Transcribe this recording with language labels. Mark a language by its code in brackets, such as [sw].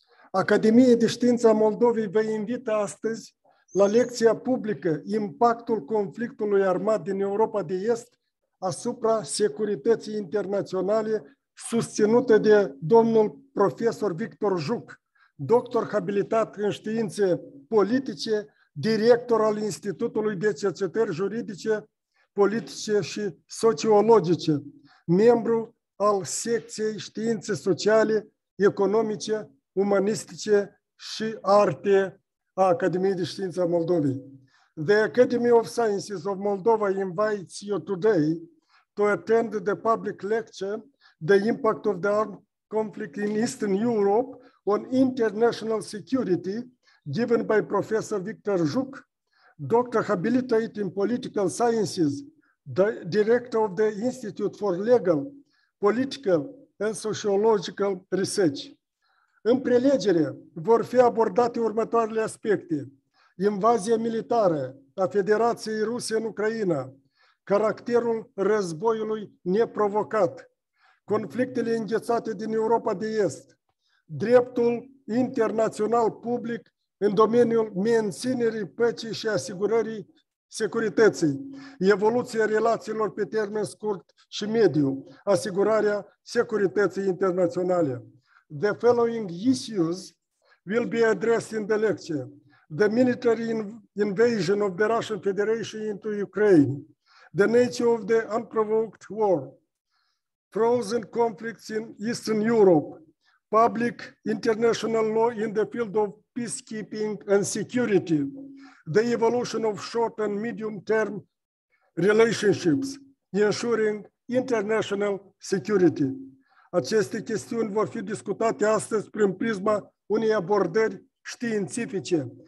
[ro] Academiei de Științe a Moldovei vă invită astăzi la lecția publică Impactul conflictului armat din Europa de Est asupra securității internaționale, susținută de domnul profesor Victor Juc, doctor habilitat în științe politice, director al Institutului de Cercetări Juridice, Politice și Sociologice, membru al secției științe sociale, economice, umanistice și arte a Academiei de Științe a Moldovei. [en] The Academy of Sciences of Moldova invites you today to attend the public lecture, The Impact of the Armed Conflict in Eastern Europe on International Security, given by Professor Victor Juc, Doctor Habilitate in Political Sciences, the Director of the Institute for Legal, Political and Sociological Research. [ro] În prelegere vor fi abordate următoarele aspecte: invazia militară a Federației Ruse în Ucraina, caracterul războiului neprovocat, conflictele înghețate din Europa de Est, dreptul internațional public în domeniul menținerii păcii și asigurării securității, evoluția relațiilor pe termen scurt și mediu, asigurarea securității internaționale. [en] The following issues will be addressed in the lecture: the military invasion of the Russian Federation into Ukraine, the nature of the unprovoked war, frozen conflicts in Eastern Europe, public international law in the field of peacekeeping and security, the evolution of short and medium-term relationships, ensuring international security. [ro] Aceste chestiuni vor fi discutate astăzi prin prisma unei abordări științifice.